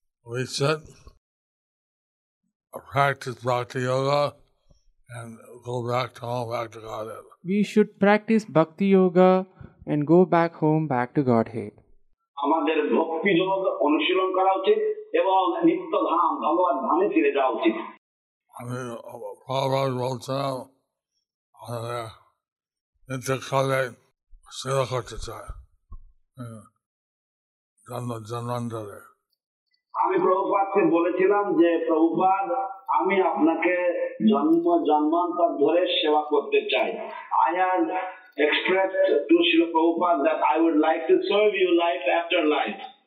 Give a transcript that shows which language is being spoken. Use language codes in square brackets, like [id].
[en] We should practice bhakti yoga and go back to home, back to Godhead. We should practice bhakti yoga and go back home, back to Godhead. [bn] আমাদের ভক্তি যোগ অনুশীলন করা উচিত এবং নিত্য ধাম ভগবান ধামে ফিরে যাওয়া উচিত. আমি প্রভুর বলছিলাম আমাদের নিত্যকালে সেবা করতে চাই জন্ম জন্মান্তরে. আমি প্রভুপাদকে বলেছিলাম যে প্রভুপাদ আমি আপনাকে জন্ম জন্মান্তর ধরে সেবা করতে চাই. [en] I had expressed to Srila Prabhupada that I would like to serve you life after life.